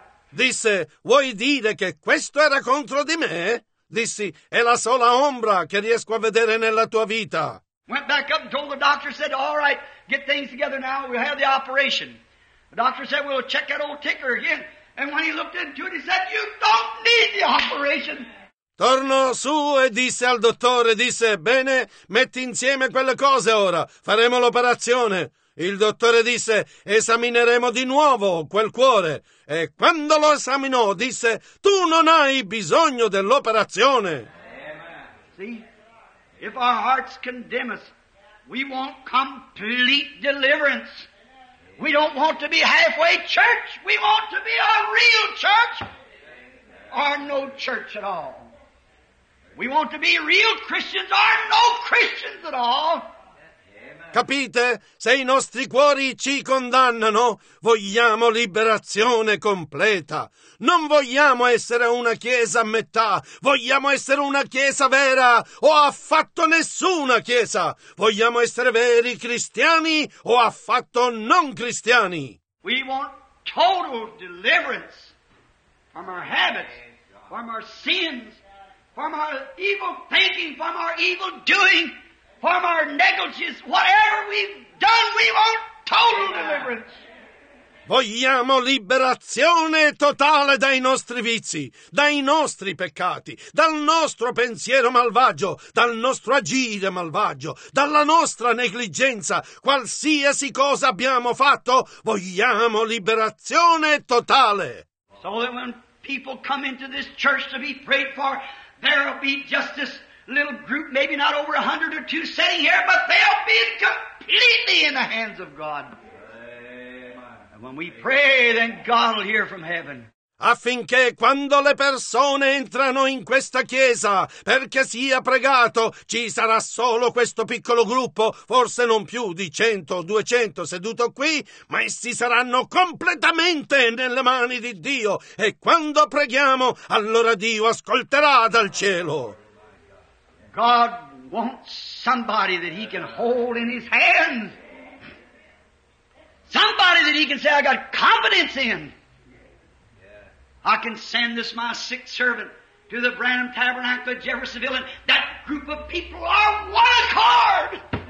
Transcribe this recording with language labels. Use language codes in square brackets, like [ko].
[it] Disse: vuoi dire che questo era contro di me? Dissi: è la sola ombra che riesco a vedere nella tua vita. [en] Went back up and told the doctor, said, all right, get things together now, we'll have the operation. The doctor said, we'll check that old ticker again. And when he looked into it, he said, you don't need the operation. [it] Tornò su e disse al dottore, disse, bene, metti insieme quelle cose ora, faremo l'operazione. Il dottore disse, esamineremo di nuovo quel cuore. E quando lo esaminò, disse, tu non hai bisogno dell'operazione. [en] Amen. See? If our hearts condemn us, we want complete deliverance. We don't want to be halfway church. We want to be a real church or no church at all. We want to be real Christians or no Christians at all. [it] Capite? Se i nostri cuori ci condannano, vogliamo liberazione completa. Non vogliamo essere una chiesa a metà, vogliamo essere una chiesa vera o affatto nessuna chiesa. Vogliamo essere veri cristiani o affatto non cristiani. [en] We want total deliverance from our habits, from our sins, from our evil thinking, from our evil doing. From our negligence, whatever we've done, we want total deliverance. [it] Vogliamo liberazione totale dai nostri vizi, dai nostri peccati, dal nostro pensiero malvagio, dal nostro agire malvagio, dalla nostra negligenza. Qualsiasi cosa abbiamo fatto, vogliamo liberazione totale. [en] So that when people come into this church to be prayed for, there will be justice. Little group, maybe not over 100 or 2 sitting here, but they'll be completely in the hands of God. Amen. And when we pray, then God will hear from heaven. [it] Affinché quando le persone entrano in questa chiesa perché sia pregato, ci sarà solo questo piccolo gruppo, forse non più di 100 o 200 seduto qui, ma essi saranno completamente nelle mani di Dio. E quando preghiamo, allora Dio ascolterà dal cielo. [en] God wants somebody that he can hold in his hand. Somebody that he can say, I got confidence in. I can send this my sick servant to the Branham Tabernacle of Jeffersonville, and that group of people are one accord.